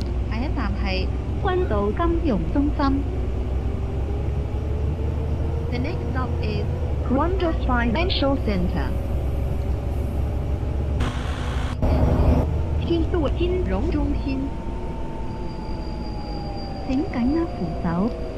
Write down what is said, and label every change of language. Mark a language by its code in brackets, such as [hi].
[zh] 下一站是君岛金融中心。 [en] The next stop is Grundle Financial Center. [zh] 金都金融中心，请紧握扶手。